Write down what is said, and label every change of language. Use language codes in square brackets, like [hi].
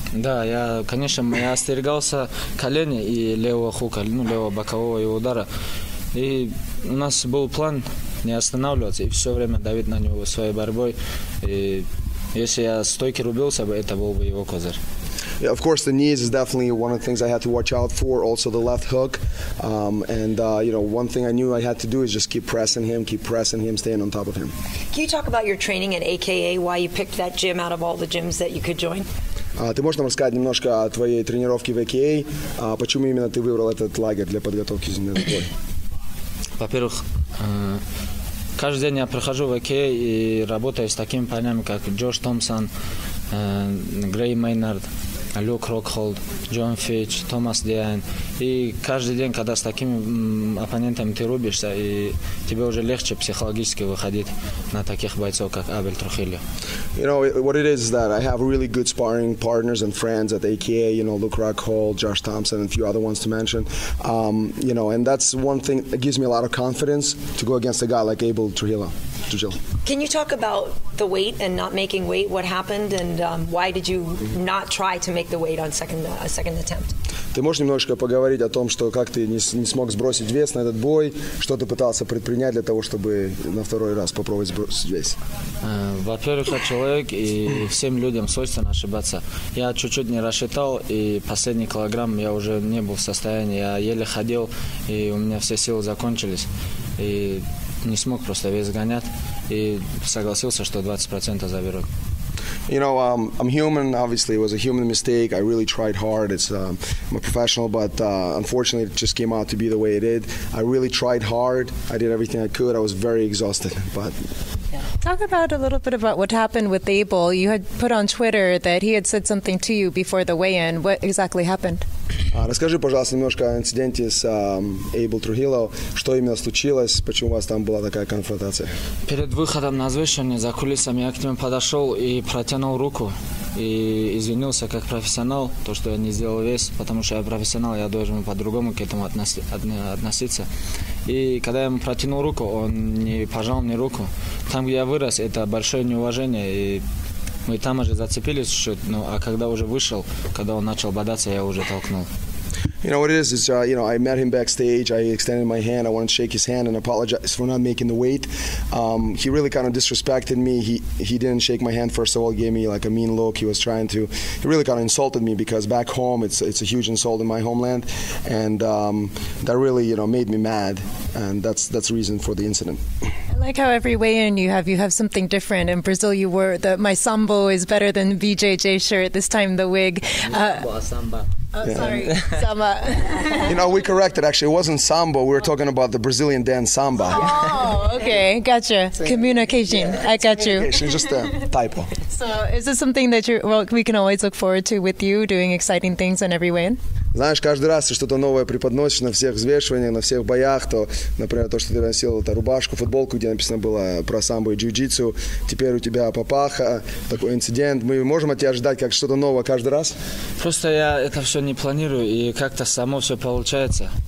[ru] Да, я остерегался колени и левого хука, левого бокового его удара. И у нас был план не останавливаться и все время давить на него своей борьбой. И если я стойки рубился бы, это был бы его козырь. [en] Yeah, of course, the knees is definitely one of the things I had to watch out for. Also, the left hook. One thing I knew I had to do is just keep pressing him, staying on top of him. Can you talk about your training at AKA, why you picked that gym out of all the gyms that you could join? [ru] Ты можешь нам рассказать немножко о твоей тренировке в AKA? Почему именно ты выбрал этот лагерь для подготовки зимнего боя? Во-первых, каждый день я прохожу в AKA и работаю с такими парнями, как Джош Томпсон, Грей Мейнард, Люк Рокхолд, Джон Фитч, Томас Диайн. И каждый день, когда с такими оппонентами ты рубишься, и тебе уже легче психологически выходить на таких бойцов, как Абель Трухильо. [en] You know, what it is that I have really good sparring partners and friends at AKA, you know, Luke Rockhold, Josh Thompson, and a few other ones to mention. You know, and that's one thing that gives me a lot of confidence to go against a guy like Abel Trujillo. Can you talk about the weight and not making weight? What happened and why did you not try to make the weight on second attempt? [ru] Ты можешь немножко поговорить о том, что как ты не смог сбросить вес на этот бой, что ты пытался предпринять для того, чтобы на второй раз попробовать сбросить вес? Во-первых, я человек, и всем людям свойственно ошибаться. Я чуть-чуть не рассчитал, и последний килограмм я уже не был в состоянии. Я еле ходил, и у меня все силы закончились. И не смог просто вес гонять, и согласился, что 20% заберут. [en] You know, I'm human. Obviously, it was a human mistake. I really tried hard. I'm a professional, but unfortunately, it just came out to be the way it did. I really tried hard. I did everything I could. I was very exhausted. But talk about a little bit about what happened with Abel. You had put on Twitter that he had said something to you before the weigh-in. What exactly happened? [ru] Расскажи, пожалуйста, немножко о инциденте с Эйбл Трухилло. Что именно случилось? Почему у вас там была такая конфронтация? Перед выходом на взвешивание за кулисами я к нему подошел и протянул руку. И извинился как профессионал, то, что я не сделал вес, потому что я профессионал, я должен по-другому к этому относиться. И когда я ему протянул руку, он не пожал мне руку. Там, где я вырос, это большое неуважение, и мы там уже зацепились чуть-чуть, а когда уже вышел, когда он начал бодаться, я уже толкнул. [en] You know what it is? It's, I met him backstage. I extended my hand. I wanted to shake his hand and apologize for not making the weight. He really kind of disrespected me. He didn't shake my hand first of all. He gave me like a mean look. He was trying to. He really kind of insulted me because back home it's a huge insult in my homeland, and that really made me mad. And that's the reason for the incident. I like how every weigh-in you have something different. In Brazil, you wore the my sambo is better than BJJ shirt. This time the wig. Samba. Oh, yeah. Sorry, samba. You know, we corrected, actually. It wasn't samba. We were talking about the Brazilian dance samba. Oh, okay. Gotcha. Communication. Yeah, I got you. It's just a typo. So is this something that we can always look forward to with you, doing exciting things in every way? [ru] Знаешь, каждый раз ты что-то новое преподносишь на всех взвешиваниях, на всех боях, то, например, то, что ты носил это рубашку, футболку, где написано было про самбо и джиу-джитсу, теперь у тебя папаха, такой инцидент. Мы можем от тебя ожидать как что-то новое каждый раз? Просто я это все не планирую, и как-то само все получается.